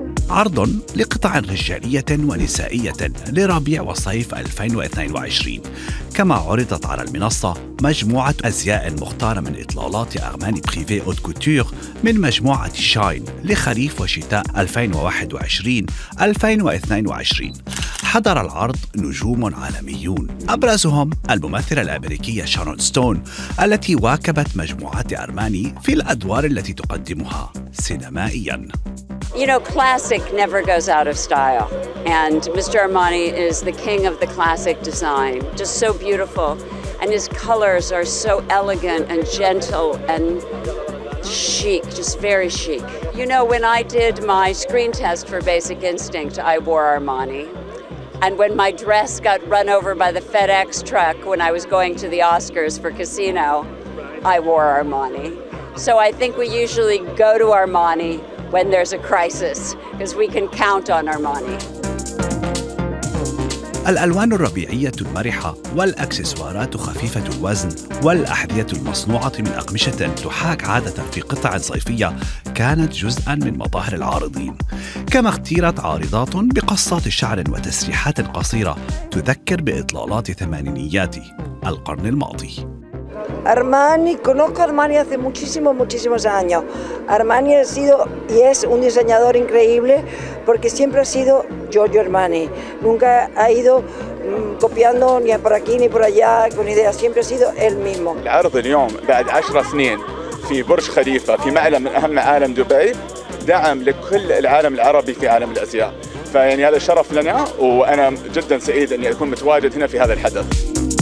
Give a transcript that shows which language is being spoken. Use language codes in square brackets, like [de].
[ar] عرض لقطع رجالية ونسائية لربيع وصيف 2022، كما عرضت على المنصة مجموعة أزياء مختارة من إطلالات أغمان بريفي أوت كوتور من مجموعة شاين لخريف وشتاء 2021-2022. حضر العرض نجوم عالميون، أبرزهم الممثلة الأمريكية شارون ستون التي واكبت مجموعات أرماني في الأدوار التي تقدمها سينمائياً. [en] You know, classic never goes out of style. And Mr. Armani is the king of the classic design. Just so beautiful. And his colors are so elegant and gentle and chic, just very chic. You know, when I did my screen test for Basic Instinct, I wore Armani. And when my dress got run over by the FedEx truck when I was going to the Oscars for Casino, I wore Armani. So I think we usually go to Armani when there's a crisis, because we can count on Armani. [ar] الألوان الربيعية المرحة والأكسسوارات خفيفة الوزن والأحذية المصنوعة من أقمشة تحاك عادة في قطع صيفية كانت جزءاً من مظاهر العارضين، كما اختيرت عارضات بقصات شعر وتسريحات قصيرة تذكر بإطلالات ثمانينيات القرن الماضي. [es] Armani, conozco a Armani hace muchísimos, muchísimos años. Armani ha sido y es un diseñador increíble porque siempre ha sido Giorgio Armani. Nunca ha ido copiando ni por aquí ni por allá con ideas, siempre ha sido él mismo. [ar] العرض اليوم بعد 10 سنين في برج خليفة في معلم من أهم عالم دبي دعم لكل العالم العربي في عالم الأزياء. فيعني هذا شرف لنا وأنا جدا سعيد أني أكون متواجد هنا في هذا الحدث.